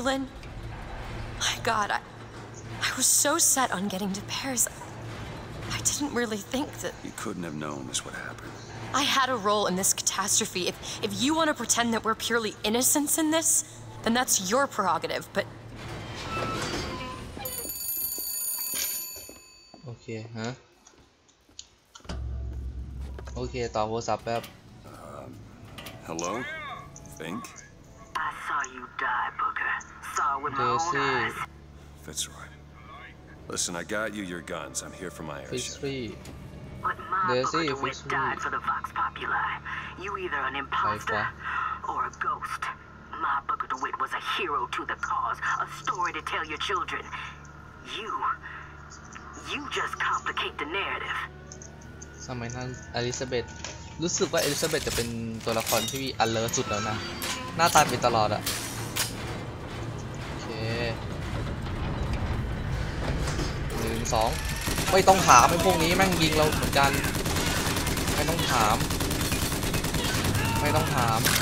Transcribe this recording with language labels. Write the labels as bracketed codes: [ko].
[en] Lin, my God, I was so set on getting to Paris. I didn't really think that you couldn't have known this would happen. I had a role in this catastrophe. catastrophe, if you want to pretend that we're purely innocents in this, then that's your prerogative, but... [th] โอเคฮะโอเคต่อโทรศัพท์แป๊บ [en] Hello? Think? I saw you die, Booker. Saw with my own eyes. Fitzroy. Listen, I got you your guns. I'm here for my airship. Fitzroy. But my Booker DeWitt died for the Vox Populi. You either an imposter or a ghost. My Booker DeWitt was a hero to the cause, a story to tell your children. You... You just complicate the narrative. [th] ทำไมท่านอลิซาเบธรู้สึกว่าอลิซาเบธจะเป็นตัวละครที่มีอันเลิศสุดแล้วนะหน้าตาเป็นตลอดอ่ะโอเค1 2ไม่ต้องถามไอ้พวกนี้แม่งยิงเราเหมือนกันไม่ต้องถามไม่ต้องถาม